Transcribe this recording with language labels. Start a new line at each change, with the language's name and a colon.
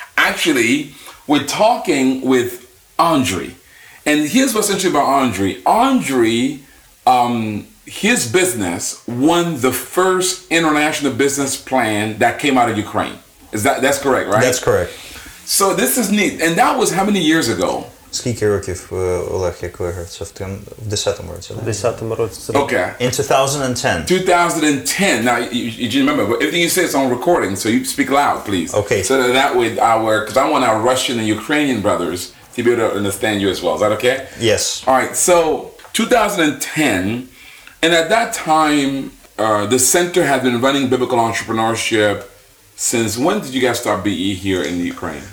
English: Actually, we're talking with Andre. And here's what's interesting about Andre. His business won the first international business plan that came out of Ukraine. That's correct, right? That's correct. So this is neat. And that was how many years ago?
Ukrainian: Скільки років, Олег, як ви говорите, в 10-му році? В 10-му році.
English: Okay. In 2010. 2010. Now, you remember, everything you say is on recording, so you speak loud, please. Okay. So that way, because I want our Russian and Ukrainian brothers to be able to understand you as well. Is that okay? Yes. All right, so 2010... And at that time, the center had been running biblical entrepreneurship since when did you guys start BE here in Ukraine?